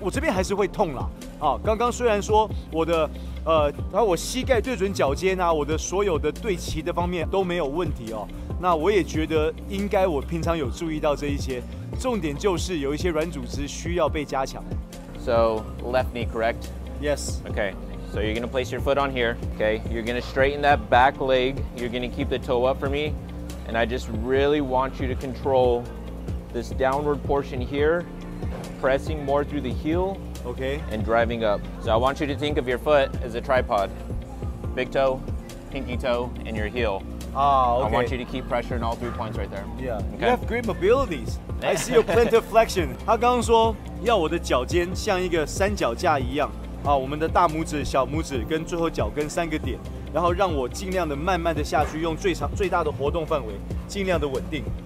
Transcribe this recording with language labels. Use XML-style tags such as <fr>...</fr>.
<zh>我这边还是会痛啦，啊，刚刚虽然说我的然后我膝盖对准脚尖啊，我的所有的对齐的方面都没有问题哦。那我也觉得应该我平常有注意到这一些，重点就是有一些软组织需要被加强。</zh> <en>So left knee correct. Yes. Okay, so you're gonna place your foot on here, okay? You're gonna straighten that back leg. You're gonna keep the toe up for me. And I just really want you to control this downward portion here, pressing more through the heel. Okay. And driving up. So I want you to think of your foot as a tripod. Big toe, pinky toe, and your heel. Ah, okay. I want you to keep pressure in all three points right there. Yeah. Okay. You have great mobilities. I see your plantar flexion.</en> <zh>他刚刚说要我的脚尖像一个三脚架一样。啊，我们的大拇指、小拇指跟最后脚跟三个点，然后让我尽量的慢慢的下去，用最大的活动范围，尽量的稳定。</zh>